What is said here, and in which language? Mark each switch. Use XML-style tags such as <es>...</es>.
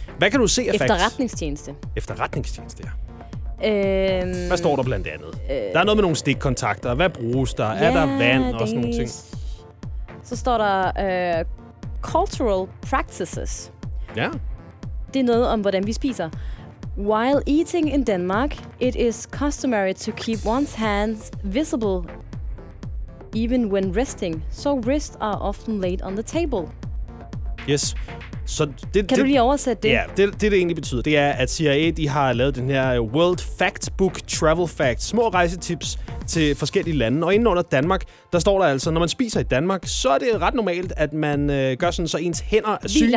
<da>Hvad kan du se af facts? Efterretningstjeneste, ja. Hvad står der blandt andet? Der er noget med nogle stikkontakter. Hvad bruges der? Ja, er der vand og sådan nogle ting? Så står der</da> <en>cultural practices.</en> <da>Ja. Det er noget om, hvordan vi spiser.</da> <en>While eating in Denmark, it is customary to keep one's hands visible even when resting, so wrists are often laid on the table.</en> <da>Yes. Så det, kan du lige oversætte det? Ja, det egentlig betyder, det er, at CIA de har lavet den her World Factbook Travel Facts, små rejsetips til forskellige lande. Og inden under Danmark, der står der altså, når man spiser i Danmark, så er det ret normalt, at man gør sådan, så ens hænder er synlige.</da>